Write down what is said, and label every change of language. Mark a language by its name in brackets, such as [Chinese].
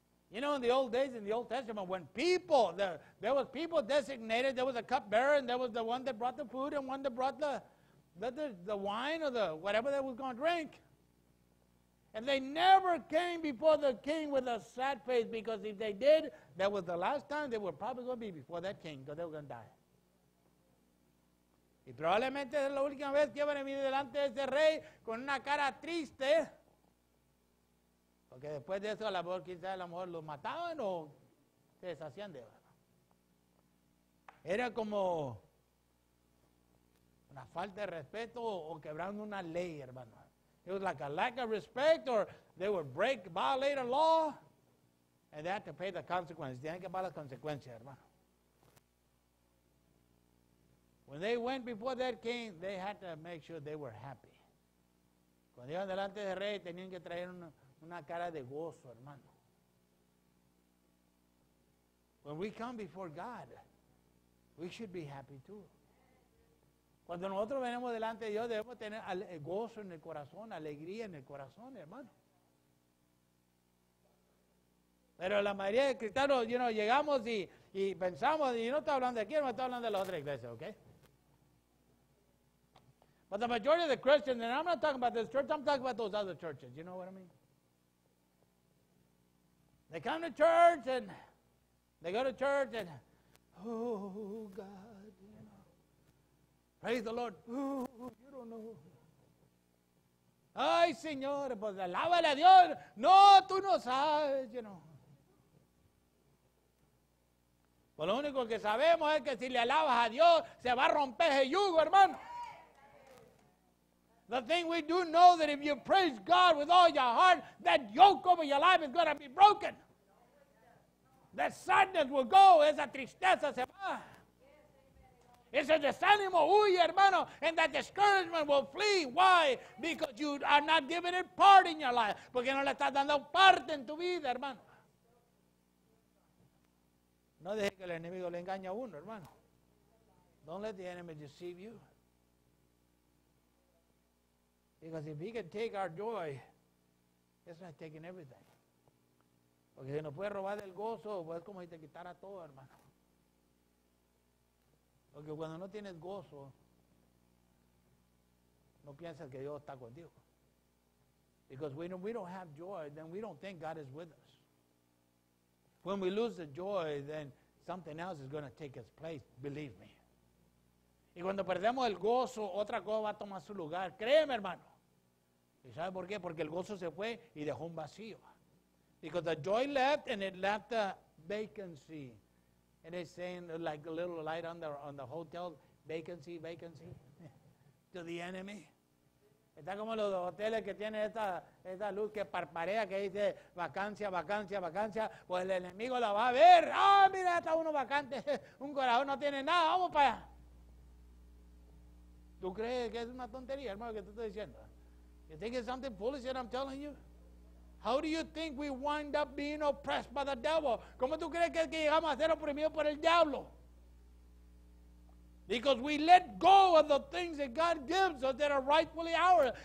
[English] You know, in the old days, in the Old Testament, when people, there was people designated, there was a cupbearer, and there was the one that brought the food and one that brought the wine or the whatever they were going to drink. And they never came before the king with a sad face, because if they did, that was the last time they were probably going to be before that king, because they were going to die. [Spanish] Y probablemente es la última vez que van a venir delante de ese rey con una cara triste. Porque después de eso, a lo mejor los mataban o se deshacían de él. Era como una falta de respeto o quebrando una ley, hermano. [English] It was like a lack of respect, or they would break, violate a law, and they had to pay the consequences. [Spanish] Tienen que pagar las consecuencias, hermano. [English] When they went before that king, they had to make sure they were happy. [Spanish] Cuando iban delante del rey, tenían que traer una cara de gozo, hermano. [English] When we come before God, we should be happy too. [Spanish] Cuando nosotros venimos delante de Dios, debemos tener gozo en el corazón, alegría en el corazón, hermano. Pero la mayoría de cristianos, you know, llegamos y pensamos, y no está hablando de aquí, no está hablando de la otra iglesia, ¿ok? [English] But the majority of the Christians, and I'm not talking about this church, I'm talking about those other churches, you know what I mean? They come to church and they go to church and, oh God, you know, praise the Lord. Oh, you don't know. [Spanish] Ay, Señor, pues alábale a Dios. No, tú no sabes, you know. Pues lo único que sabemos es que si le alabas a Dios, se va a romper el yugo, hermano. [English] The thing we do know that if you praise God with all your heart, that yoke over your life is going to be broken. That sadness will go, [Spanish] esa tristeza se va. Ese desánimo huye, hermano, [English] and that discouragement will flee. Why? Because you are not giving it part in your life. [Spanish] Porque no le estás dando parte en tu vida, hermano. No deje que el enemigo le engañe a uno, hermano. [English] Don't let the enemy deceive you. Because if he can take our joy, it's not taking everything. [Spanish] Porque si nos puede robar del gozo, pues como si te quitara todo, hermano. Porque cuando no tienes gozo, no piensas que Dios está contigo. [English] Because when we don't have joy, then we don't think God is with us. When we lose the joy, then something else is going to take its place, believe me. [Spanish] Y cuando perdemos el gozo, otra cosa va a tomar su lugar. Créeme, hermano. ¿Y sabe por qué? Porque el gozo se fue y dejó un vacío. [English] Because the joy left and it left a vacancy. And it's saying like a little light on the hotel, vacancy, vacancy, to the enemy. [Spanish] Está como los hoteles que tienen esta luz que parparea, que dice vacancia, vacancia, vacancia. Pues el enemigo la va a ver. ¡Ah, oh, mira, está uno vacante! Un corazón no tiene nada, vamos para allá. ¿Tú crees que es una tontería, hermano, que te estoy diciendo? [English] You think it's something foolish that I'm telling you? How do you think we wind up being oppressed by the devil? [Spanish] ¿Cómo tú crees que es que llegamos a ser oprimidos por el diablo? [English] Because we let go of the things that God gives us that are rightfully ours.